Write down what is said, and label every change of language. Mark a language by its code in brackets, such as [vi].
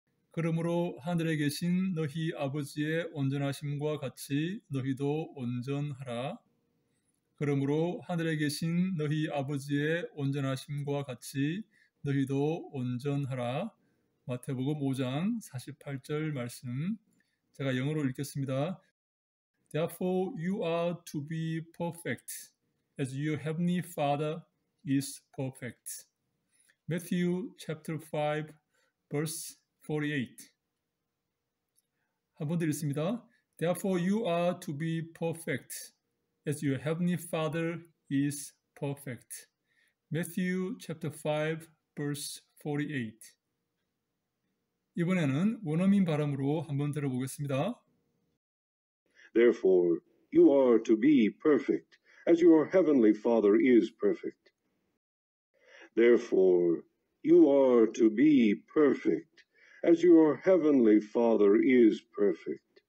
[ko] 그러므로 하늘에 계신 너희 아버지의 온전하심과 같이 너희도 온전하라. 그러므로 하늘에 계신 너희 아버지의 온전하심과 같이 너희도 온전하라. 마태복음 5장 48절 말씀. 제가 영어로 읽겠습니다. [en] Therefore you are to be perfect as your heavenly Father is perfect. Matthew chapter 5 verse 48. [ko] 한번 더 읽습니다. [en] Therefore you are to be perfect as your heavenly Father is perfect. Matthew chapter 5, verse 48. [ko] 이번에는 원어민 발음으로 한번 들어보겠습니다. [en] Therefore, you are to be perfect, as your heavenly Father is perfect. Therefore, you are to be perfect, as your heavenly Father is perfect.